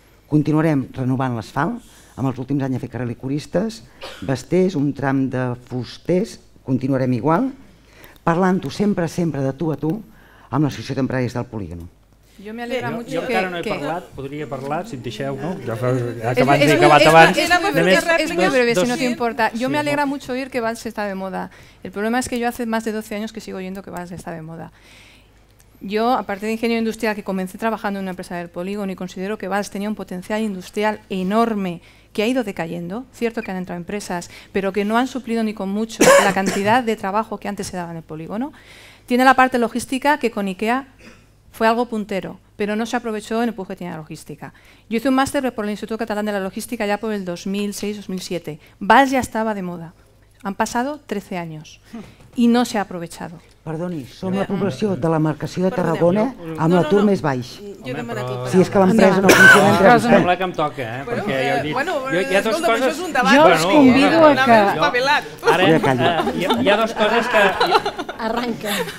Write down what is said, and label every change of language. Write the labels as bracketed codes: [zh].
[ca] Continuarem renovant l'asfalt, amb els últims anys a fer carrer Licoristes, Basters, un tram de Fusters, continuarem igual, parlant-ho sempre, sempre de tu a tu amb l'Associació d'Empresaris del Polígon. Jo m'alegra molt que... Jo encara no he parlat, podria parlar, si em deixeu, no? Ja he acabat, he acabat abans. És molt breu, si no t'importa. Jo m'alegra molt oir que Valls està de moda. El problema és que jo fa més de 12 anys que [es] sigo oyendo [ca] que Valls està de moda. [es] Yo, aparte de ingeniero industrial, que comencé trabajando en una empresa del polígono y considero que Valls tenía un potencial industrial enorme que ha ido decayendo, cierto que han entrado empresas, pero que no han suplido ni con mucho la cantidad de trabajo que antes se daba en el polígono. Tiene la parte logística que con IKEA fue algo puntero, pero no se aprovechó en el empuje que tiene la logística. Yo hice un máster por el Instituto Catalán de la Logística ya por el 2006-2007. Valls ya estaba de moda. Han pasado 13 años y no se ha aprovechado. [ca] Perdoni, som la població de la marcació de Tarragona amb l'atur més baix. Si és que l'empresa no funciona... Em sembla que em toca, perquè ja heu dit... Jo us convido a que... Ara, hi ha dues coses que... Arranca.